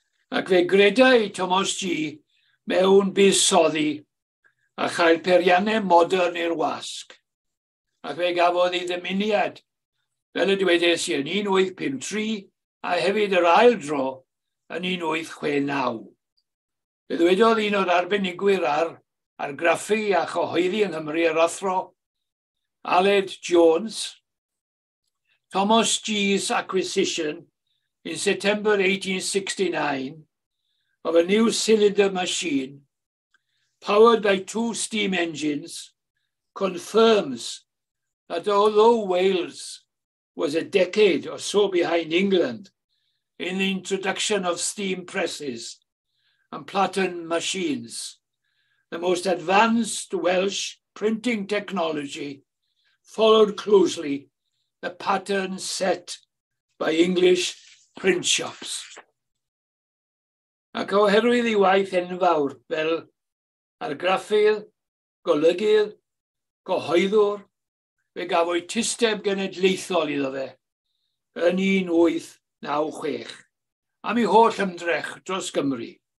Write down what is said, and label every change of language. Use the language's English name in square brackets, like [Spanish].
[Welsh] Ac fe gredau Thomas G mewn busoddi a chael peiriannau modern i'r wasg. Ac fe gafodd ei ddymuniad, fel y dywedais i, yn 1853 a hefyd yr ail dro yn 1869. Fe ddwedodd un o'r arbenigwyr ar argraffu a chyhoeddi yng Nghymru yr athro, Aled Jones, [English] Thomas G's acquisition in September 1869 of a new cylinder machine powered by two steam engines confirms that although Wales was a decade or so behind England in the introduction of steam presses and Platen machines, the most advanced Welsh printing technology followed closely the pattern set by English print shops. [Welsh] Ac oherwydd ei waith enfawr fel argraffydd, golygydd, cyhoeddwr, fe gafodd tisteb genedlaethol iddo fe yn 1896 am ei holl ymdrech dros Gymru.